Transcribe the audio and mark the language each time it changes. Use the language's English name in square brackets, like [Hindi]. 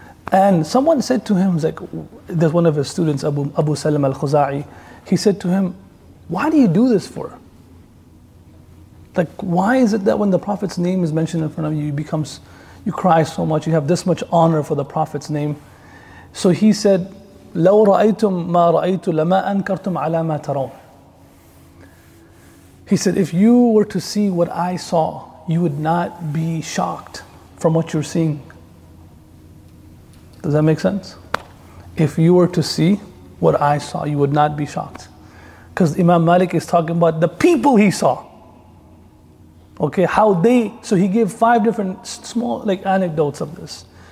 [English] And someone said to him, like, there's one of his students, Abu Salam al-Khuza'i, he said to him, why do you do this for? Like, why is it that when the Prophet's name is mentioned in front of you, you cry so much, you have this much honor for the Prophet's name? So he said, [Arabic] لو رأيتم ما رأيت لما أنكرتم على ما ترون. [English] He said, if you were to see what I saw, you would not be shocked from what you're seeing. Does that make sense? If you were to see what I saw, you would not be shocked. Because Imam Malik is talking about the people he saw. Okay, how they, so he gave five different small like anecdotes of this.